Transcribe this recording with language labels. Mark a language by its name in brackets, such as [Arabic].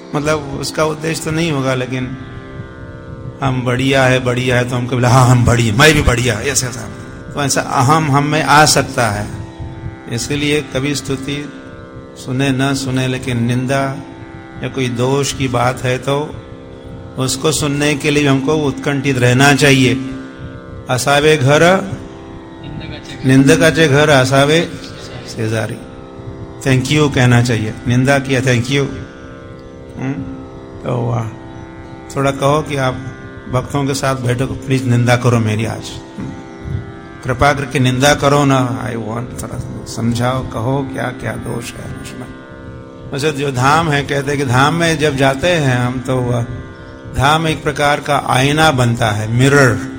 [Hindi] मतलब उसका उद्देश्य तो नहीं होगा, लेकिन हम बढ़िया है बढ़िया है तो हमको बोला, हाँ हम बढ़िया, मैं भी बढ़िया, ऐसा ऐसा, तो ऐसा अहम हमें आ सकता है. इसलिए कभी स्तुति सुने न सुने, लेकिन निंदा या कोई दोष की बात है तो उसको सुनने के लिए हमको उत्कंठित रहना चाहिए. [Marathi] असावे घर निंदका चे घर असावे सेजारी. [Hindi] थैंक यू कहना चाहिए. निंदा किया, थैंक यू. तो वाह, थोड़ा कहो कि आप भक्तों के साथ बैठो, प्लीज निंदा करो मेरी आज, कृपा करके निंदा करो ना. [English] I want, [Hindi] थोड़ा समझाओ, कहो क्या क्या दोष है उसमें. वैसे जो धाम है, कहते हैं कि धाम में जब जाते हैं हम तो धाम एक प्रकार का आईना बनता है, मिरर.